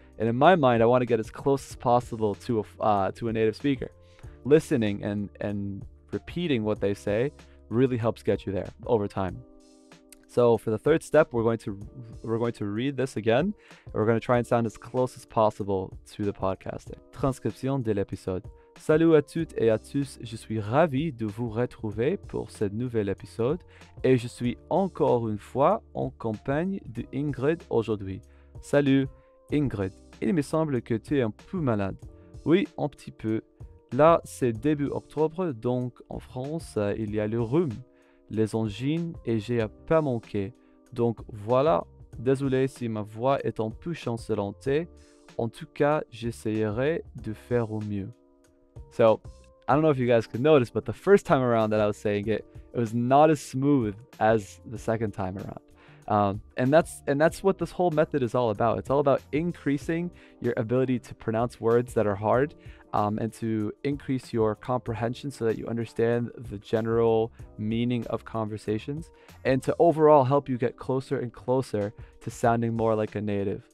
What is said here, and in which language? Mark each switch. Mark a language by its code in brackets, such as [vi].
[en] And in my mind, I want to get as close as possible to a native speaker. Listening and repeating what they say really helps get you there over time. So for the third step, we're going to read this again. We're going to try and sound as close as possible to the podcasting. [fr] Transcription de l'épisode. Salut à toutes et à tous. Je suis ravi de vous retrouver pour ce nouvel épisode. Et je suis encore une fois en compagnie d'Ingrid aujourd'hui. Salut, Ingrid. Il me semble que tu es un peu malade. Oui, un petit peu. Là, c'est début octobre, donc en France, il y a le rhume, les angines et j'ai pas manqué. Donc voilà, désolé si ma voix est un peu chancelante. En tout cas, j'essaierai de faire au mieux. [en] So, I don't know if you guys could notice, but the first time around that I was saying it, it was not as smooth as the second time around. And that's what this whole method is all about. It's all about increasing your ability to pronounce words that are hard and to increase your comprehension so that you understand the general meaning of conversations and to overall help you get closer and closer to sounding more like a native.